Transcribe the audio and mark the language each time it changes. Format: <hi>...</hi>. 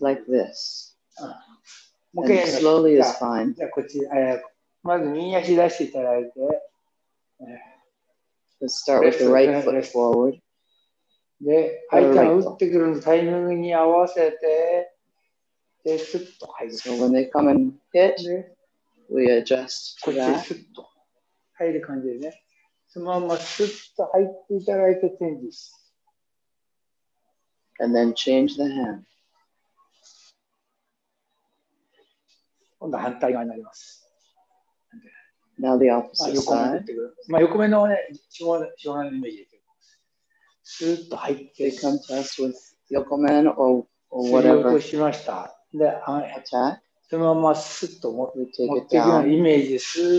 <en>Like this. And slowly is fine.</en> <ja>じゃあこっち、まず右足出していただいて。</ja> <en>Let's start with the right foot forward.</en> <ja>で、相手が打ってくるタイミングに合わせて、で、スッと入る。</ja> <en>So when they come and hit, we adjust to that.</en> <ja>こっちスッと入る感じでね。そのままスッと入っていただいて、チェンジです。</ja> <en>And then change the hand.</en> <ja>今度は反対側になります。</ja> <en>Now the opposite side.</en> <ja>横目のね、正面のイメージです。スーッと入って、</ja> <en>They come to us with 横面 or whatever.</en> <ja>しました。で、</ja> <en>attack.</en> <ja>そのままスーッと持っていくようなイメージです。</ja>